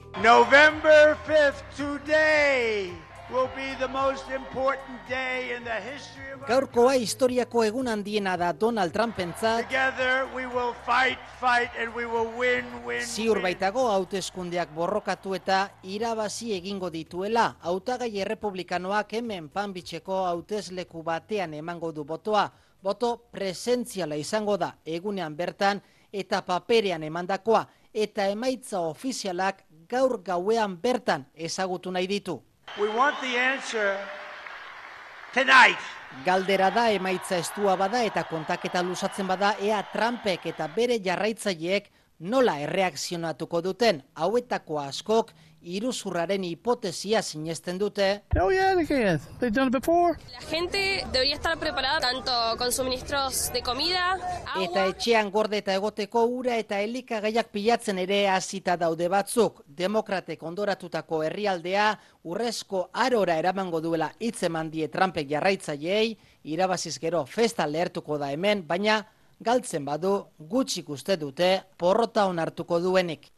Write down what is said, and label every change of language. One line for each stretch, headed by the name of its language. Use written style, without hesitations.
English: November 5th today will be the most important day in the history of our...
Basque: Gaurkoa historiako egun handiena da Donald Trumpentzat.
English: Together we will fight and we will win.
Basque: Ziur baitago hauteskundeak borrokatu eta irabazi egingo dituela. Hautagai republikanoak hemen Palm Beacheko hautesleku batean emango du botoa. Boto presentziala izango da egunean bertan eta paperean emandakoa, eta emaitza ofizialak gaur gauean bertan ezagutu nahi ditu.
English: We want the answer tonight.
Basque: Galdera da emaitza estua bada eta kontaketa luzatzen bada ea Trumpek eta bere jarraitzaileek nola erreakzionatuko duten hauetako askok iruzurraren hipotesia sinesten dute.
English: Oh yeah, they can. They've done it before.
Spanish: La gente debería estar preparada tanto con suministros de comida, agua.
Basque: Eta etxean gordeta egoteko ura eta elikagaiak pilatzen ere hasita daude batzuk. Demokratek ondoratutako herrialdea urrezko arora eramango duela hitzeman die Trumpek jarraitzaileei, irabaziz gero festa lehertuko da hemen, baina galtzen badu, gutxik uste dute, porrota onartuko duenik.